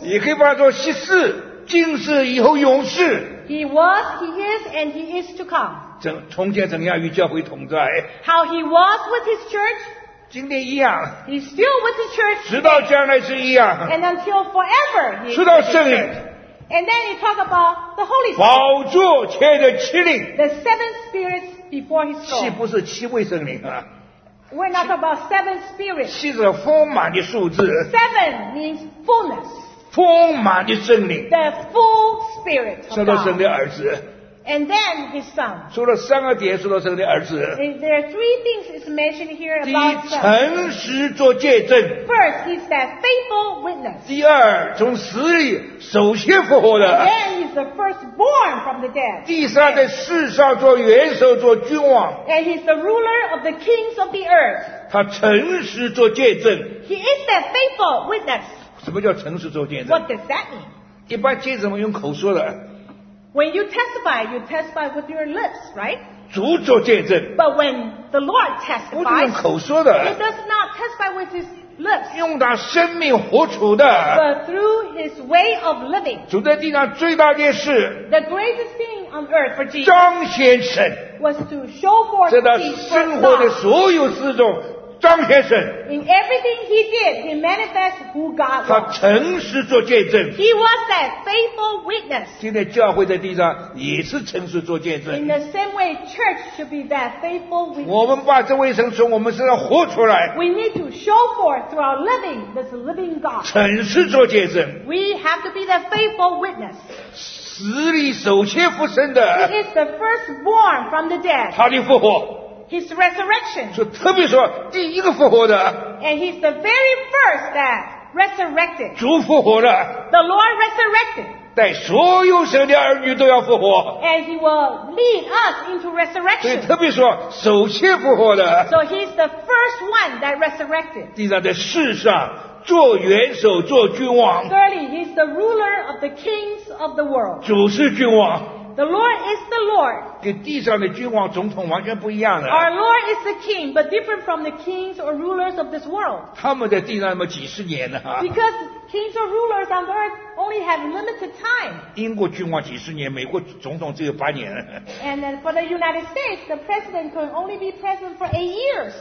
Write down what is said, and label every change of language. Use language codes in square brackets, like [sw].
[zh] 也可以把它做昔世、今世、以后永世。 [en] He was, he is, and he is to come. [zh] 从前怎样与教会同在。 [en] How he was with his church. [zh] 今天一样。 [en] He's still with the church. [zh] 直到将来是一样。 [en] And until forever. [zh] 直到圣灵。 [en] And then he talked about the Holy Spirit. [zh] 宝座前的七灵 [en] The seven spirits before his throne. [zh] 七不是七位圣灵啊。 [en] We're not talking about seven spirits. [zh] 七是丰满的数字。 [en] Seven means fullness. [zh] 丰满的圣灵。 [en] The full spirit. [zh] 说到神的儿子。 [en] And then his son. [zh] 说了三个点，说到神的儿子。 [en] There are three things is mentioned here about. [zh] 第一，诚实做见证。 [en] First, he's that faithful witness. [zh] 第二，从死里首先复活的。 [en] And then he's the firstborn from the dead. [zh] 第三，在世上做元首，做君王。 [en] And he's the ruler of the kings of the earth. [zh] 他诚实做见证。 [en] He is that faithful witness. [zh] 什么叫诚实做见证 [en] ？What does that mean? [zh] 一般见证我们用口说的。 [en] When you testify with your lips, right? [zh] 主做见证。 [en] But when the Lord testifies, [zh] 不是用口说的。 [en] He does not testify with his lips. [zh] 用他生命活出的。 [en] But through his way of living. [zh] 主在地上最大件事。 [en] The greatest thing on earth for Jesus. [zh] 彰显神。 [en] Was to show forth his [zh] Son. 在他生活的所有事中彰显神。 [en] In everything he did, he manifested who God was. [zh] 他诚实做见证。 [en] He was that faithful witness. [zh] 今天教会在地上也是诚实做见证。 [en] In the same way, church should be that faithful witness. [zh] 我们把这位神从我们身上活出来。 [en] We need to show forth through our living this living God. [zh] 诚实做见证。 [en] We have to be that faithful witness. [zh] 死里首先复生的。 [en] He is the firstborn from the dead. [zh] 他的复活。 [en] His resurrection. [zh] 就特别说第一个复活的。 [en] And he's the very first that resurrected. [zh] 主复活了。 [en] The Lord resurrected. [zh] 带所有神的儿女都要复活。 [en] And he will lead us into resurrection. [zh] 所以特别说首先复活的。 [en] So he's the first one that resurrected. [zh] 地上的世上做元首做君王。 [en] Thirdly, he's the ruler of the kings of the world. [zh] 主是君王。 [en] The Lord is the Lord. [zh] 跟地上的君王总统完全不一样的。 [en] Our Lord is the King, but different from the kings or rulers of this world. [zh] 他们在地上那么几十年呢。 [en] Because kings or rulers on earth only have limited time. [zh] 英国君王几十年，美国总统只有八年。 [en] And for the United States, the president can only be president for 8 years.